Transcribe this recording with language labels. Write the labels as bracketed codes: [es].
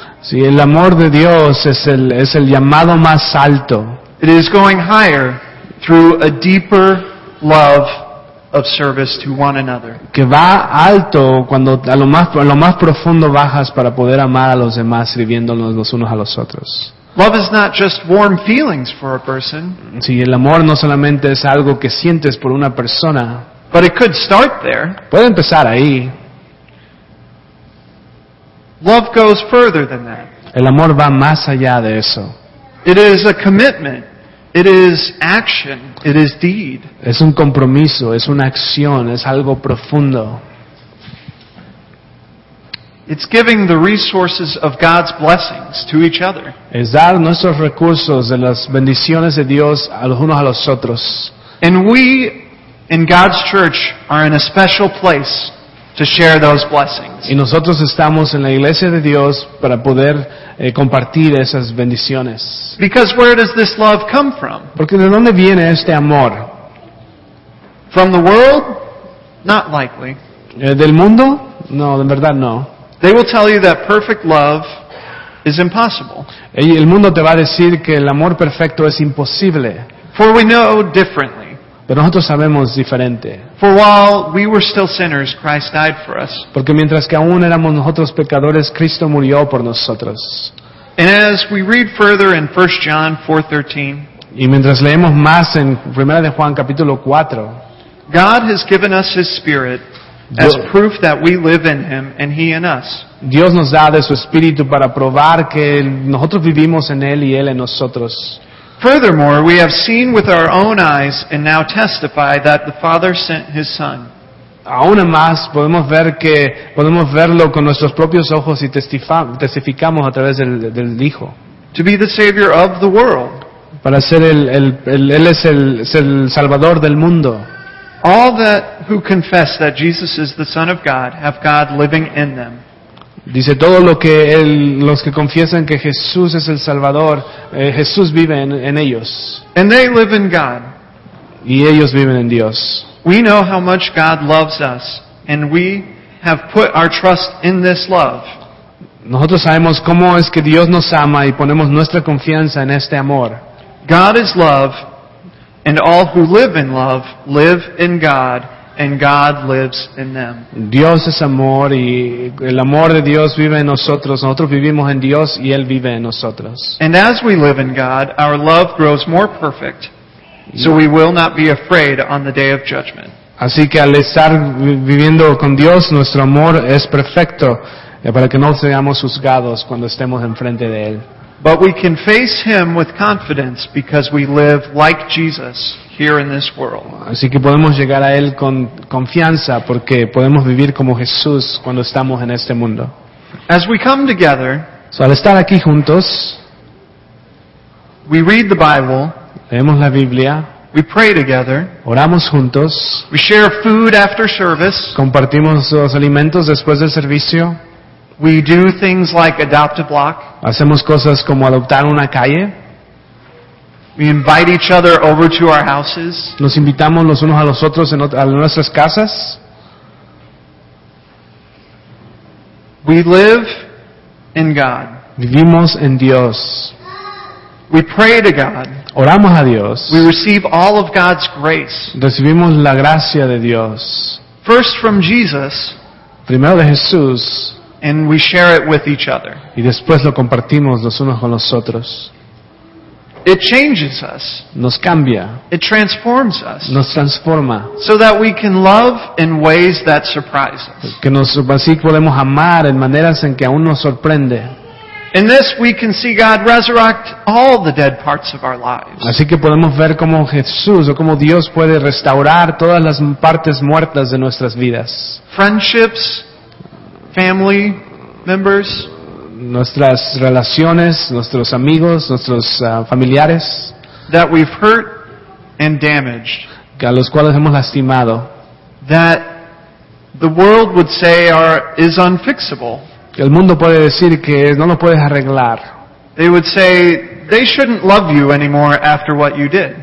[es] Sí, el amor de Dios es el llamado más alto. [en] It is going higher through a deeper love of service to one another. [es] Que va alto cuando a lo más profundo bajas para poder amar a los demás sirviéndonos los unos a los otros. [en] Love is not just warm feelings for a person. [es] Sí, el amor no solamente es algo que sientes por una persona. [en] But it could start there. [es] Puede empezar ahí. [en] Love goes further than that. [es] El amor va más allá de eso. [en] It is a commitment. It is action. It is deed. [es] Es un compromiso. Es una acción. Es algo profundo. [en] It's giving the resources of God's blessings to each other. [es] Es dar nuestros recursos de las bendiciones de Dios a los unos a los otros. [en] And we in God's church are in a special place to share those blessings. [es] Y nosotros estamos en la iglesia de Dios para poder compartir esas bendiciones. [en] Because where does this love come from? [es] Porque ¿de dónde viene este amor? [en] From the world? Not likely. [es] ¿Del mundo? No, en verdad no. [en] They will tell you that perfect love is impossible. [es] El mundo te va a decir que el amor perfecto es imposible. [en] For we know differently. [es] Pero nosotros sabemos diferente. [en] For while we were still sinners, Christ died for us. [es] Porque mientras que aún éramos nosotros pecadores, Cristo murió por nosotros. [en] And as we read further in 1 John 4:13, [es] y mientras leemos más en 1 de Juan capítulo 4, [en] God has given us His Spirit as proof that we live in Him and He in us. [es] Dios nos da de su Espíritu para probar que nosotros vivimos en Él y Él en nosotros. [en] Furthermore, we have seen with our own eyes and now testify that the Father sent His Son. [es] Aún más, podemos verlo con nuestros propios ojos y testificamos a través del Hijo. [en] To be the Savior of the world. [es] Para ser el Salvador del mundo. [en] All that who confess that Jesus is the Son of God have God living in them. [es] Dice todo lo que los que confiesan que Jesús es el Salvador, Jesús vive en ellos. [en] And they live in God. [es] Y ellos viven en Dios. [en] We know how much God loves us, and we have put our trust in this love. [es] Nosotros sabemos cómo es que Dios nos ama y ponemos nuestra confianza en este amor. [en] God is love, and all who live in love live in God. And God lives in them. [es] Dios es amor y el amor de Dios vive en nosotros. Nosotros vivimos en Dios y Él vive en nosotros. [en] And as we live in God, our love grows more perfect, so we will not be afraid on the day of judgment. [es] Así que al estar viviendo con Dios, nuestro amor es perfecto para que no seamos juzgados cuando estemos enfrente de Él. [en] But we can face Him with confidence because we live like Jesus here in this world. [es] Así que podemos llegar a Él con confianza porque podemos vivir como Jesús cuando estamos en este mundo. [en] As we come together, so [es] al estar aquí juntos, [en] we read the Bible, [es] leemos la Biblia, [en] we pray together, [es] oramos juntos, [en] we share food after service, [es] compartimos los alimentos después del servicio, [en] we do things like adopt a block, [es] hacemos cosas como adoptar una calle, [en] we invite each other over to our houses, [es] nos invitamos los unos a los otros a nuestras casas. [en] We live in God. [es] Vivimos en Dios. [en] We pray to God. [es] Oramos a Dios. [en] We receive all of God's grace. [es] Recibimos la gracia de Dios. [en] First from Jesus. [es] Primero de Jesús. [en] And we share it with each other. [es] Y después lo compartimos los unos con los otros. [en] It changes us. [es] Nos cambia. [en] It transforms us. [es] Nos transforma. [en] So that we can love in ways that surprise us. [es] Que nos así podemos amar en maneras en que aún nos sorprende. [en] In this we can see God resurrect all the dead parts of our lives. [es] Así que podemos ver cómo Jesús o cómo Dios puede restaurar todas las partes muertas de nuestras vidas. [en] Friendships, family members, [es] nuestras relaciones, nuestros amigos, nuestros familiares, [en] that we've hurt and damaged, [es] que a los cuales hemos lastimado, [en] that the world would say are is unfixable, [es] que el mundo puede decir que no lo puedes arreglar. [en] They would say they shouldn't love you anymore after what you did.